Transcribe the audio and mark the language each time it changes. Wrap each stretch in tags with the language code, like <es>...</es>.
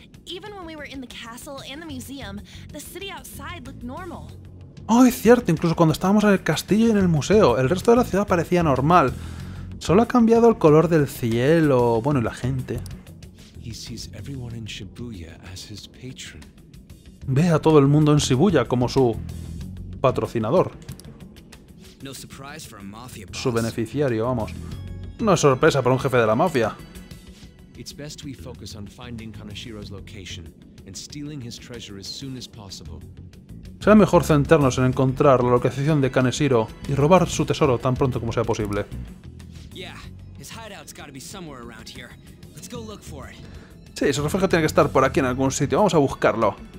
<en>Even when we were in the castle and the museum, the city outside looked normal.</en> <es>Oh, es cierto, incluso cuando estábamos en el castillo y en el museo, el resto de la ciudad parecía normal. Solo ha cambiado el color del cielo, bueno, y la gente.</es> <en>He sees everyone in Shibuya as his patron.</en> <es>Ve a todo el mundo en Shibuya como su patrocinador.</es> <en>No surprise for a mafia boss.</en> <es>Su beneficiario, vamos. No es sorpresa para un jefe de la mafia.</es> <en>It's best we focus on finding Kaneshiro's location and stealing his treasure as soon as possible.</en> <es>Será mejor centrarnos en encontrar la localización de Kaneshiro y robar su tesoro tan pronto como sea posible.</es> <en>Yeah, his hideout's gotta be somewhere around here. Let's go look for it.</en> <es>Sí, su refugio tiene que estar por aquí en algún sitio. Vamos a buscarlo.</es>